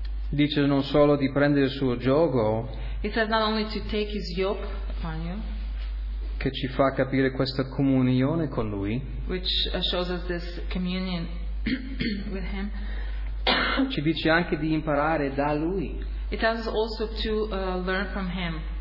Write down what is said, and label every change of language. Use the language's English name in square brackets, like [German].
[Italian] Dice non solo di prendere il suo giogo. [English] He says not only to take his yoke upon you. [Italian] Che ci fa capire questa comunione con lui. [English] Which shows us this communion with him. [Italian] Ci dice anche di imparare da lui. [English] It tells us also to learn from him.